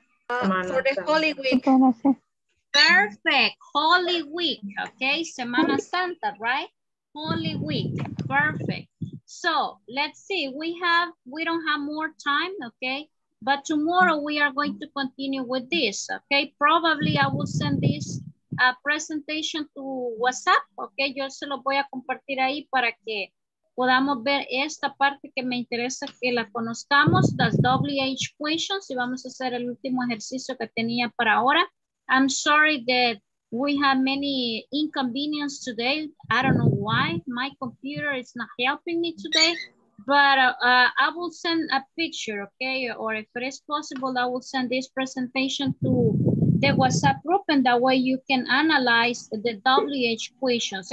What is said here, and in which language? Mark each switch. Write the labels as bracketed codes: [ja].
[en] For the Holy Week. Perfect. Holy Week. Okay. [es] Semana Santa, [en] right? Holy Week. Perfect. So let's see. We don't have more time. Okay. But tomorrow we are going to continue with this. Okay. Probably I will send this a presentation to WhatsApp, [es] ok, yo se lo voy a compartir ahí para que podamos ver esta parte que me interesa que la conozcamos, las WH questions, y vamos a hacer el último ejercicio que tenía para ahora. [en] I'm sorry that we have many inconvenience today, I don't know why, my computer is not helping me today, but I will send a picture, ok, or if it is possible, I will send this presentation to the WhatsApp group, and that way you can analyze the WH questions.